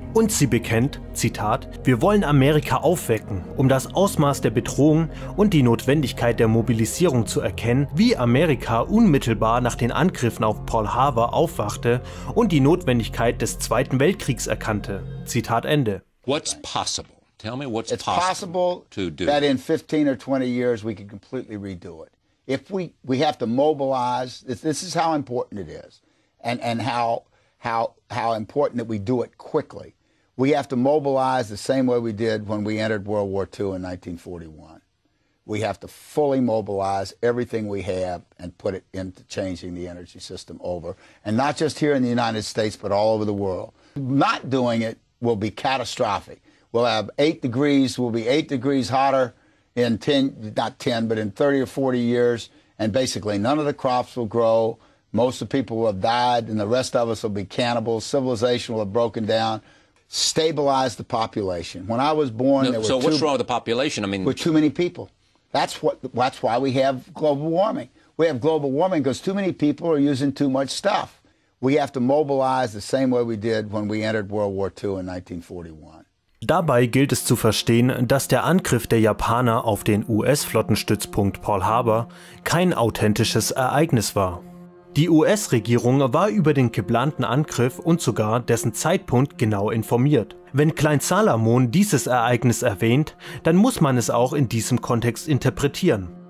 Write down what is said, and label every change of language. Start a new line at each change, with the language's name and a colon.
German: Und sie bekennt, Zitat, wir wollen Amerika aufwecken, um das Ausmaß der Bedrohung und die Notwendigkeit der Mobilisierung zu erkennen, wie Amerika unmittelbar nach den Angriffen auf Pearl Harbor aufwachte und die Notwendigkeit des Zweiten Weltkriegs erkannte. Zitat Ende.
English: What's possible? Tell me what's possible. It's possible to do that in 15 or 20 years we could completely redo it. If we have to mobilize, this is how important it is. And how important that we do it quickly. We have to mobilize the same way we did when we entered World War II in 1941. We have to fully mobilize everything we have and put it into changing the energy system over, and not just here in the United States, but all over the world. Not doing it will be catastrophic. We'll have 8 degrees, we'll be 8 degrees hotter in 10, not 10, but in 30 or 40 years, and basically none of the crops will grow. Most of the people who have died and the rest of us will be cannibals. Civilization will have broken down. Stabilize the population. When I was born, no, there were so what's wrong with the population? I mean, with too many people. That's why we have global warming. We have global warming because too many people are using too much stuff. We have to mobilize the same way we did when we entered World War II in 1941.
German: Dabei gilt es zu verstehen, dass der Angriff der Japaner auf den US-Flottenstützpunkt Pearl Harbor kein authentisches Ereignis war. Die US-Regierung war über den geplanten Angriff und sogar dessen Zeitpunkt genau informiert. Wenn Klein Salamon dieses Ereignis erwähnt, dann muss man es auch in diesem Kontext interpretieren.